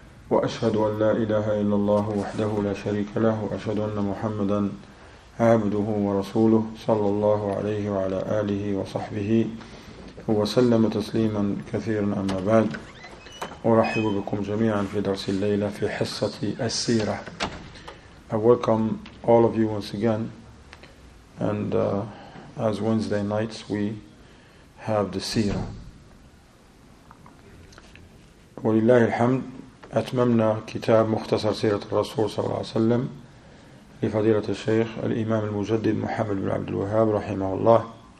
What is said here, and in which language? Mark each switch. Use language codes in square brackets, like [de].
[ar] وأشهد أن لا إله إلا الله وحده لا شريك له وأشهد أن محمدا عبده ورسوله صلى الله عليه وعلى آله وصحبه وسلم تسليما كثيرا أما بعد أرحب بكم جميعا في درس الليلة في حصة السيرة. [en] I welcome all of you once again, and as Wednesday nights we have the سيرة. [ar] ولله الحمد أتممنا كتاب مختصر سيرة الرسول صلى الله عليه وسلم لفضيلة الشيخ الإمام المجدد محمد بن عبد الوهاب رحمه الله.